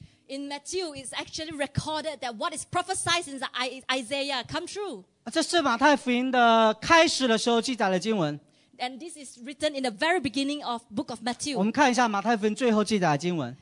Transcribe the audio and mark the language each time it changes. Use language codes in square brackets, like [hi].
[en] In Matthew, it's actually recorded that what is prophesied in Isaiah come true. [zh] 这是马太福音的开始的时候记载的经文。 [en] And this is written in the very beginning of the book of Matthew. [zh] 我们看一下马太福音最后记载的经文。